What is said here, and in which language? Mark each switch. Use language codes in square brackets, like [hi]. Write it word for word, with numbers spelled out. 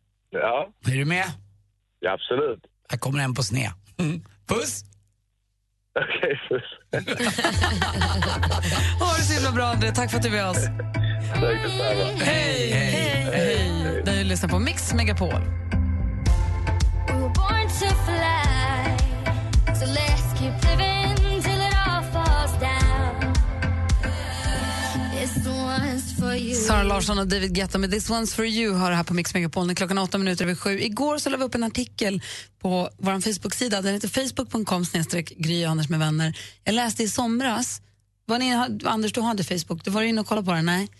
[sv] Ja? Är du med? Ja, absolut. Här kommer en på sned. Mm. Puss! Okej, okay, puss. Ha det så himla bra, André. Tack för att du är med oss. Hej, hej, hej, hej. Där du lyssnar på Mix Megapol. [en] We were born to fly, so let's keep living till it all falls down. It's the ones for you. [sv] Sara Larsson och David Guetta med This One's For You har här på Mix Megapol. Klockan åtta minuter över sju. Igår så la vi upp en artikel på vår Facebook-sida. Den heter facebook punkt com snedstreck gry och Anders med vänner. Jag läste i somras. Var ni, Anders, du hade Facebook. Du var inne och kollade på den, nej?